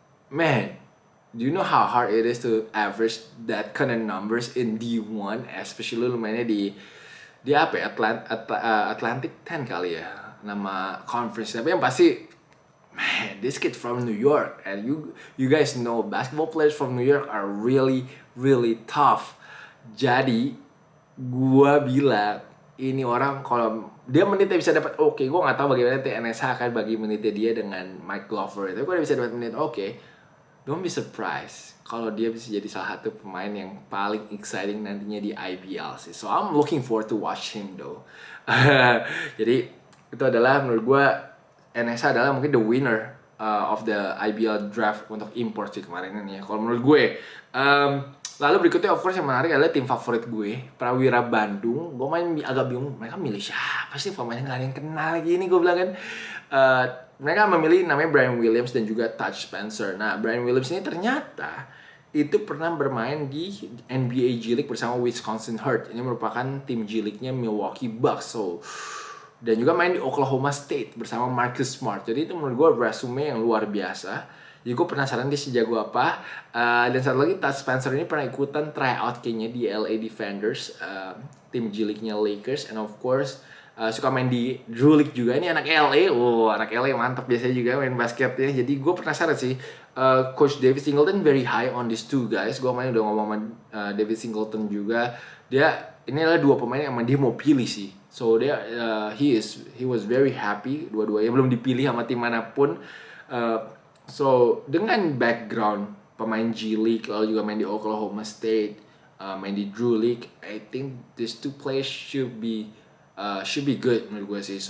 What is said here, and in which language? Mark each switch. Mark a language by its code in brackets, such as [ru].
[en] Man, do you know how hard it is to average that kind of numbers in D1? [id] Especially lu mainnya di apa ya? Atlantic 10 kali ya? [en] Nama conference. [id] Tapi yang pasti, [en] man, this kid from New York. And you guys know basketball players from New York are really, really tough. [id] Jadi, gua bilang, ini orang kalau dia menitnya bisa dapat oke. Gua gak tahu bagaimana TNSH akan bagi menitnya dia dengan Mike Glover. Tapi gua udah bisa dapat menit oke. [en] Don't be surprised [id] kalau dia bisa jadi salah satu pemain yang paling exciting nantinya di IBL sih. [en] So I'm looking forward to watch him though. [id] Jadi itu adalah menurut gue NSA adalah mungkin [en] the winner of the IBL draft [id] untuk import sih kemarin ini ya, kalau menurut gue. Lalu berikutnya of course yang menarik adalah tim favorit gue, Prawira Bandung. Gue main agak bingung, mereka milih siapa sih pemainnya, gak ada yang kenal gini gue bilang kan. Mereka memilih namanya Brian Williams dan juga Taj Spencer. Nah, Brian Williams ini ternyata itu pernah bermain di NBA G League bersama Wisconsin Heart. Ini merupakan tim G League-nya Milwaukee Bucks. So, dan juga main di Oklahoma State bersama Marcus Smart. Jadi itu menurut gue resume yang luar biasa. Jadi gue penasaran dia sejago apa. Dan satu lagi, Taj Spencer ini pernah ikutan tryout kayaknya di LA Defenders. Tim G League-nya Lakers. [en] And of course, [id] suka main di Drew League juga. Ini anak LA. Wow, anak LA mantap biasanya juga main basketnya. Jadi gue penasaran sih. [en] Coach David Singleton very high on these two guys. [id] Gue main udah ngomong sama David Singleton juga. Dia, ini adalah dua pemain yang dia mau pilih sih. So dia, [en] he was very happy. [id] Dua-duanya belum dipilih sama tim manapun. So dengan background pemain G League, lalu juga main di Oklahoma State, main di Drew League, [en] I think these two players should be good [id] menurut gue sih.